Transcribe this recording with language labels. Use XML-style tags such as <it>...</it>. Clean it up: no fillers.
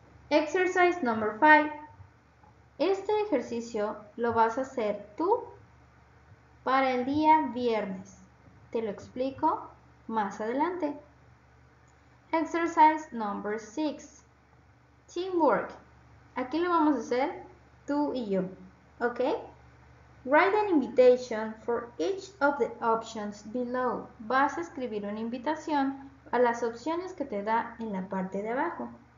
<en>Exercise number 5.</en> <es>Este ejercicio lo vas a hacer tú para el día viernes. Te lo explico más adelante.</es> <en>Exercise number 6.</en> <es>Teamwork. Aquí lo vamos a hacer tú y yo. ¿Ok?</es> <en>Write an invitation for each of the options below.</en> <es>Vas a escribir una invitación a las opciones que te da en la parte de abajo.</es>